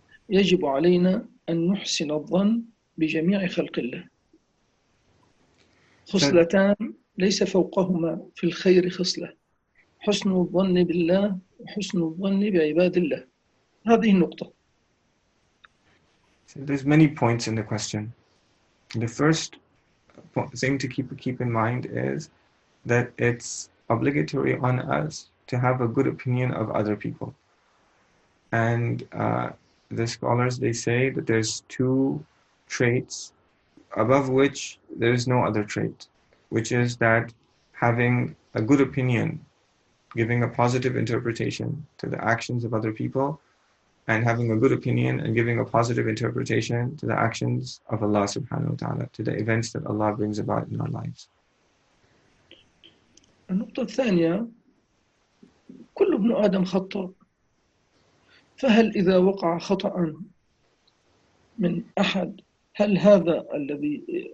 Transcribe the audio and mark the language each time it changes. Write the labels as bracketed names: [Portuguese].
[Arabic] يجب علينا أن نحسن الظن بجميع خلق الله، خصلتان ليس فوقهما في الخير خصلة، حسن الظن بالله وحسن الظن بعباد الله. هذه النقطة. [English] So there's many points in the question. The first thing to keep in mind is that it's obligatory on us to have a good opinion of other people. And the scholars, they say that there's two traits above which there is no other trait, which is that having a good opinion, giving a positive interpretation to the actions of other people, and having a good opinion and giving a positive interpretation to the actions of Allah subhanahu wa ta'ala, to the events that Allah brings about in our lives. [Arabic] النقطة الثانية، كل ابن آدم خطأ، فهل إذا وقع خطأ من أحد، هل هذا الذي